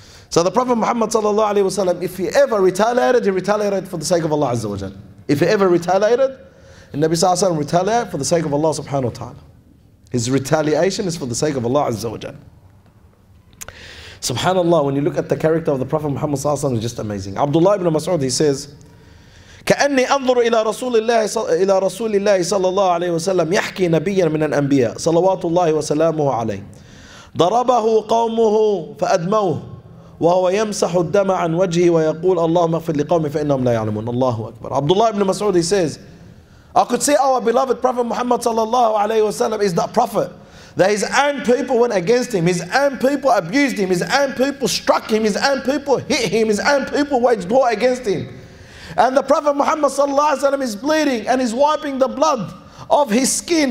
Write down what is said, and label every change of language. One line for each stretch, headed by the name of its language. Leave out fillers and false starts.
English: So the Prophet Muhammad sallallahu alayhi wasallam, if he ever retaliated, he retaliated for the sake of Allah azza wa jal. If he ever retaliated, the Nabi sallallahu alayhi wa sallam retaliated for the sake of Allah subhanahu wa ta'ala. His retaliation is for the sake of Allah azza wa jal. Subhanallah, when you look at the character of the Prophet Muhammad sallallahu alayhi wa sallam, it's just amazing. Abdullah ibn Mas'ud, he says,
Arabic: كأني أنظر إلى رسول الله صلى الله عليه وسلم يحكي نبيا من الأنبياء صلوات الله وسلامه عليه ضربه قومه فأدموه وهو يمسح الدم عن وجهه ويقول اللهم اغفر لقومي فإنهم لا يعلمون الله أكبر.
English: Abdullah ibn Mas'ud, he says, I could see our beloved Prophet Muhammad صلى الله عليه وسلم is that prophet that his own people went against him, his own people abused him, his own people struck him, his own people hit him, his own people waged war against him. And the Prophet Muhammad sallallahu alaihi wasallam is bleeding and he's wiping the blood of his skin.